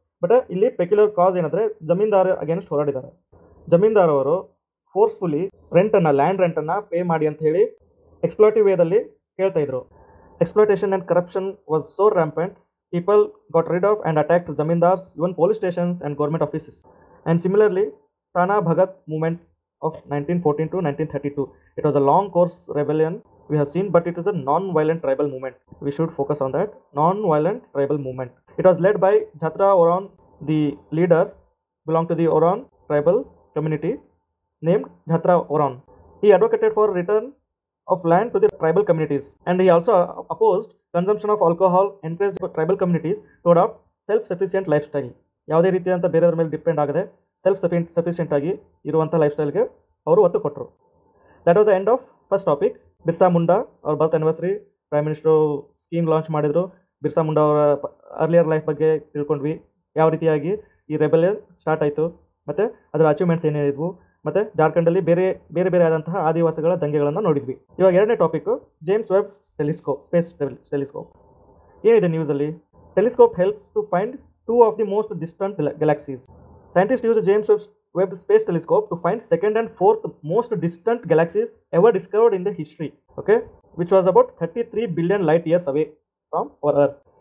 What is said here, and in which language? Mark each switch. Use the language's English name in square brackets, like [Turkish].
[Kannada] But ಇಲ್ಲಿ peculiar ಕಾಸ್ ಏನಂದರೆ zamindar against ಹೋರಾಡಿದ್ದಾರೆ. Zamindar ಅವರು ಫೋರ್ಸ್ಫುಲಿ ರೆಂಟನ್ನು, ಲ್ಯಾಂಡ್ ರೆಂಟನ್ನು ಪೇ ಮಾಡಿ ಅಂತ ಹೇಳಿ ಎಕ್ಸ್ಪ್ಲೋಯಿಟಿವ್ ವೇದಲ್ಲಿ ಹೇಳ್ತಾ ಇದ್ರು. [English] Exploitation and corruption was so rampant, people got rid of and attacked zamindars even police stations and government offices. And similarly Tana Bhagat movement of 1914 to 1932, it was a long course rebellion we have seen, but it is a non-violent tribal movement. We should focus on that non-violent tribal movement. It was led by Jatra Oron. The leader belonged to the Oron tribal community named Jatra Oron. He advocated for return of land to the tribal communities, and he also opposed consumption of alcohol, encouraged tribal communities to adopt self-sufficient lifestyle. [Kannada] ಯಾವುದೇ ರೀತಿಯಾದಂಥ ಬೇರೆಯವ್ರ ಮೇಲೆ depend ಆಗದೆ self sufficient ಆಗಿ ಇರುವಂಥ life ಸ್ಟೈಲ್ಗೆ ಅವರು ಒತ್ತು ಕೊಟ್ಟರು. [English] That was the end of first topic. [Kannada] Birsa Munda ಅವ್ರ ಬರ್ತ್ anniversary, prime minister scheme launch ಮಾಡಿದ್ರು, ಬಿರ್ಸಾ ಮುಂಡಾ ಅವರ ಅರ್ಲಿಯರ್ ಲೈಫ್ ಬಗ್ಗೆ ತಿಳ್ಕೊಂಡ್ವಿ, ಯಾವ ರೀತಿಯಾಗಿ ಈ ರೆಬೆಲಿಯನ್ ಸ್ಟಾರ್ಟ್ ಆಯಿತು ಮತ್ತು ಅದರ ಅಚೀವ್ಮೆಂಟ್ಸ್ ಏನೇನಿದ್ವು ಮತ್ತು ಜಾರ್ಖಂಡಲ್ಲಿ ಬೇರೆ ಆದಂತಹ ಆದಿವಾಸಿಗಳ ದಂಗೆಗಳನ್ನು ನೋಡಿದ್ವಿ. ಇವಾಗ ಎರಡನೇ topic, James web telescope, space telescope. ಏನಿದೆ ನ್ಯೂಸಲ್ಲಿ? [English] Telescope helps to find two of the most distant galaxies. Scientists use James Webb Space Telescope to find second and fourth most distant galaxies ever discovered in the history, okay, which was about 33 billion light years away from our Earth.